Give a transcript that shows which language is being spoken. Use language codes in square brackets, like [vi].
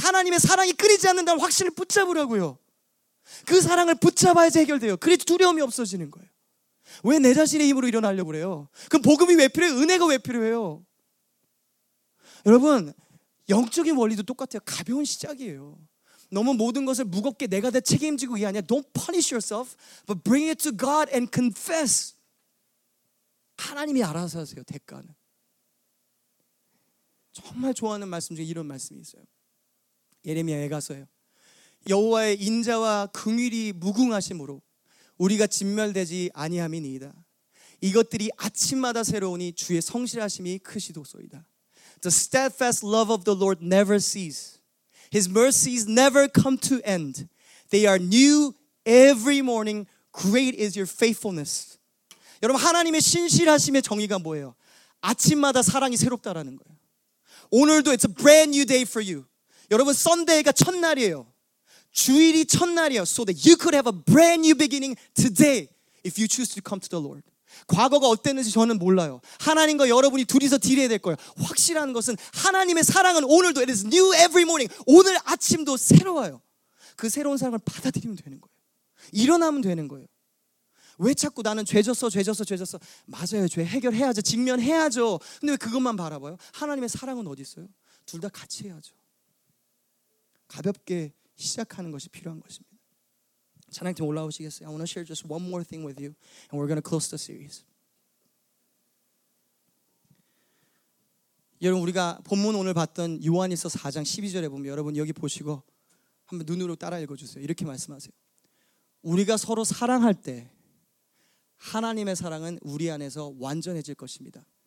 [ko] 하나님의 사랑이 끊이지 않는다는 확신을 붙잡으라고요. 그 사랑을 붙잡아야지 해결돼요. 그래도 두려움이 없어지는 거예요. 왜 내 자신의 힘으로 일어나려고 그래요? 그럼 복음이 왜 필요해요? 은혜가 왜 필요해요? 여러분 영적인 원리도 똑같아요. 가벼운 시작이에요. 너무 모든 것을 무겁게 내가 다 책임지고 이게 아니야. [en] Don't punish yourself but bring it to God and confess. [ko] 하나님이 알아서 하세요. 대가는. 정말 좋아하는 말씀 중에 이런 말씀이 있어요. 예레미야에 가서요. 여호와의 인자와 긍휼이 무궁하심으로 우리가 진멸되지 아니함이니이다. 이것들이 아침마다 새로우니 주의 성실하심이 크시도소이다. [en] The steadfast love of the Lord never cease. His mercies never come to end. They are new every morning. Great is your faithfulness. [ko] 여러분 하나님의 신실하심의 정의가 뭐예요? 아침마다 사랑이 새롭다라는 거예요. 오늘도 [en] it's a brand new day for you. [ko] 여러분 Sunday가 첫날이에요. 주일이 첫날이에요. [en] So that you could have a brand new beginning today if you choose to come to the Lord. [ko] 과거가 어땠는지 저는 몰라요. 하나님과 여러분이 둘이서 딜해야 될 거예요. 확실한 것은 하나님의 사랑은 오늘도 [en] it is new every morning. [ko] 오늘 아침도 새로워요. 그 새로운 사랑을 받아들이면 되는 거예요. 일어나면 되는 거예요. 왜 자꾸 나는 죄졌어. 맞아요. 죄 해결해야죠. 직면해야죠. 근데 왜 그것만 바라봐요? 하나님의 사랑은 어디 있어요? 둘 다 같이 해야죠. 가볍게 시작하는 것이 필요한 것입니다. 찬양팀 올라오시겠어요? [en] I want to share just one more thing with you and we're going to close the series. [ko] 여러분 우리가 본문 오늘 봤던 요한일서 4장 12절에 보면 여러분 여기 보시고 한번 눈으로 따라 읽어주세요. 이렇게 말씀하세요. 우리가 서로 사랑할 때 하나님의 사랑은 우리 안에서 완전해질 것입니다.